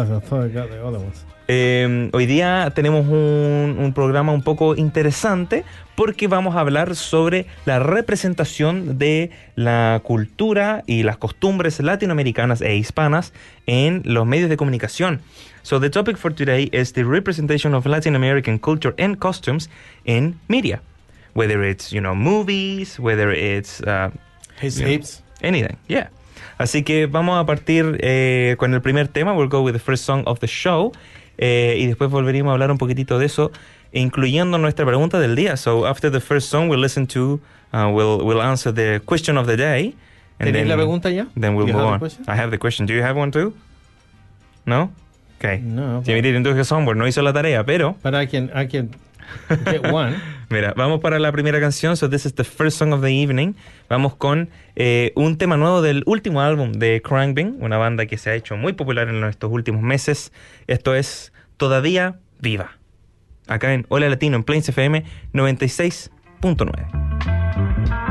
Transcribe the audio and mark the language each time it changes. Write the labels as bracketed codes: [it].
[es] Hoy día tenemos un programa un poco interesante porque vamos a hablar sobre la representación de la cultura y las costumbres latinoamericanas e hispanas en los medios de comunicación. [en] So the topic for today is the representation of Latin American culture and customs in media. Whether it's, you know, movies, whether it's... His hips. Anything, yeah. [es] Así que vamos a partir con el primer tema. [en] We'll go with the first song of the show. [es] Y después volveremos a hablar un poquitito de eso, incluyendo nuestra pregunta del día. [en] So after the first song, we'll listen to, we'll answer the question of the day. [es] ¿Tenéis la pregunta ya? [en] Then we'll move on. I have the question. Do you have one too? No? Okay. [es] No. [en] Jimmy didn't do his homework. [es] No hizo la tarea, pero... [en] But I can get one. [es] Mira, vamos para la primera canción. [en] So this is the first song of the evening. [es] Vamos con un tema nuevo del último álbum de Crankbin, una banda que se ha hecho muy popular en estos últimos meses. Esto es Todavía Viva, acá en Hola Latino, en Plains FM 96.9.